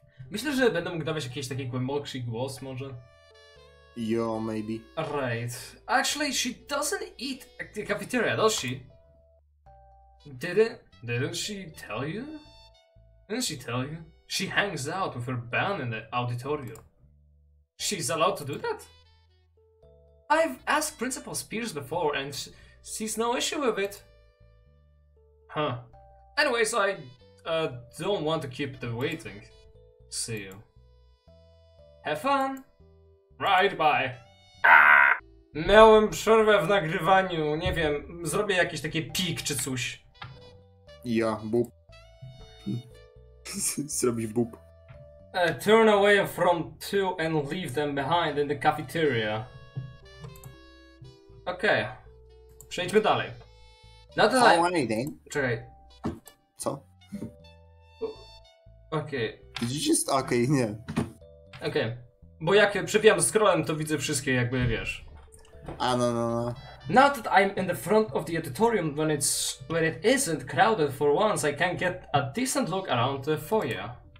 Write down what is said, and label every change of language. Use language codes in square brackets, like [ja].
[pl] Myślę, że będę mógł dawać jakiś taki głębokszy głos, może? [en] Yo, maybe. Right. Actually, she doesn't eat at the cafeteria, does she? Didn't she tell you? Didn't she tell you? She hangs out with her band in the auditorium. She's allowed to do that? I've asked Principal Spears before and sees no issue with it. Huh. Anyways, I don't want to keep the waiting. See you. Have fun! Right, bye! [pl] Miałem przerwę w nagrywaniu, nie wiem, zrobię jakiś taki pik czy coś. Ja, bup. Zrobić bup. [en] Turn away from two and leave them behind in the cafeteria. [pl] Okej. Okay. Przejdźmy dalej. [en] Not that I want anything. [pl] Czekaj. Co? Okej. [en] Okay. Did you just... Okej, okay, nie. Okej. Okay. [pl] Bo jak przebijam scrollem, to widzę wszystkie, jakby wiesz. No. [en] Not that I'm in the front of the auditorium when it isn't crowded for once, I can get a decent look around the foyer.